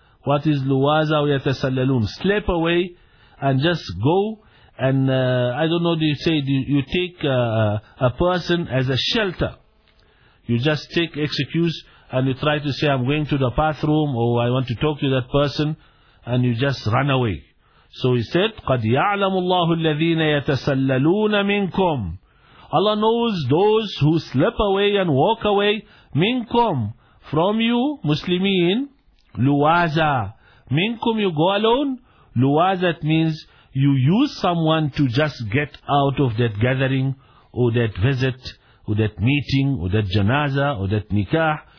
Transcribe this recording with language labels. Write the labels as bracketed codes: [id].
[en] What is luwaza? ويتسللون. Slip away and just go. And I don't know, you take a person as a shelter. You just take excuse and you try to say, I'm going to the bathroom or I want to talk to that person, and you just run away. So he said, [ar] قَدْ يَعْلَمُ اللَّهُ الَّذِينَ يَتَسَلَّلُونَ مِنْكُمْ. [en] Allah knows those who slip away and walk away, مِنْكُمْ, from you, Muslimin, لُوَازَ. مِنْكُمْ, you go alone. لُوَازَ, that means you use someone to just get out of that gathering or that visit or that meeting or that janazah or that nikah.